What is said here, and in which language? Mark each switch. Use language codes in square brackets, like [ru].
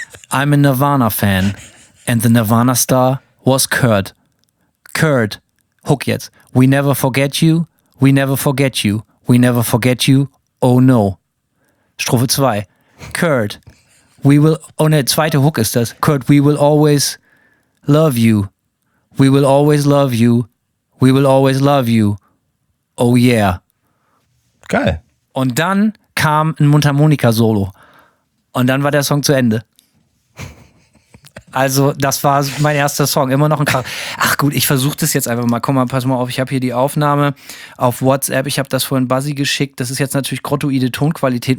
[en] I'm a Nirvana fan. And the Nirvana star was Kurt. Kurt, [de] Hook jetzt. [en] We never forget you, we never forget you, we never forget you, oh no. [de] Strophe 2. [en] Kurt, we will, [de] oh ne, zweite Hook ist das. [en] Kurt, we will always love you, we will always love you, we will always love you, oh yeah. [de] Geil. Und dann kam ein Mundharmonika-Solo. Und dann war der Song zu Ende. Also, das war mein erster Song. Immer noch ein Krach. Ach gut, ich versuche das jetzt einfach mal. Guck mal, pass mal auf. Ich habe hier die Aufnahme auf WhatsApp. Ich habe das vorhin Buzzy geschickt. Das ist jetzt natürlich grottoide Tonqualität.